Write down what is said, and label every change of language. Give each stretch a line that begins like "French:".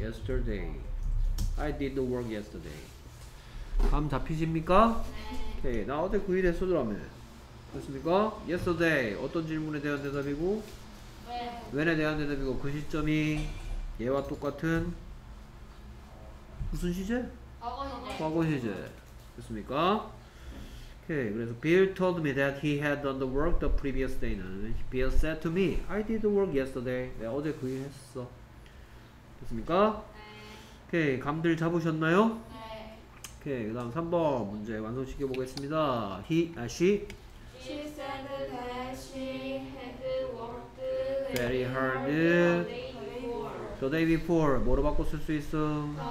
English: Yesterday. I did the work yesterday.
Korean: 감 잡히십니까? 네. 오케이. 나 어제 그 일 했어더라며. 됐습니까? Yesterday. 어떤 질문에 대한 대답이고?
English: When.
Korean: When에 대한 대답이고 그 시점이 얘와 똑같은 무슨 시제? 과거 시제. 됐습니까? 오케이, 그래서
English: Bill told me that he had done the work the previous day. Bill said to me, I did the work yesterday.
Korean: 네, 어제 그 일 했어. 됐습니까? 네. 오케이, 감들 잡으셨나요? 네. 오케이, 그 다음 3번 문제 완성시켜 보겠습니다.
English: He, she? She said that she had worked very hard the day, the day before.
Korean: 뭐로 바꿔 쓸 수 있어?